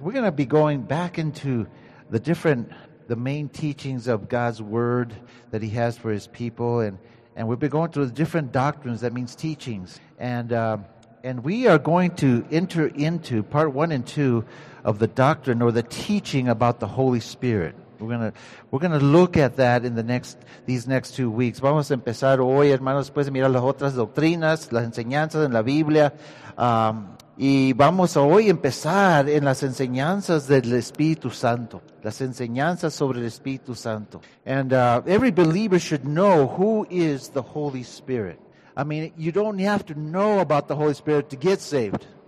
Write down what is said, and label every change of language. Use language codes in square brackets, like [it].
[en] We're going to be going back into the main teachings of God's Word that He has for His people. And we've been going through the different doctrines, that means teachings. And we are going to enter into part one and two of the doctrine or the teaching about the Holy Spirit. We're gonna look at that in these next 2 weeks. [es] Vamos a empezar hoy, hermanos, pues, a mirar las otras doctrinas, las enseñanzas en la Biblia. Y vamos a hoy empezar en las enseñanzas del Espíritu Santo. Las enseñanzas sobre el Espíritu Santo. [en] And every believer should know who is the Holy Spirit. I mean, you don't have to know about the Holy Spirit to get saved.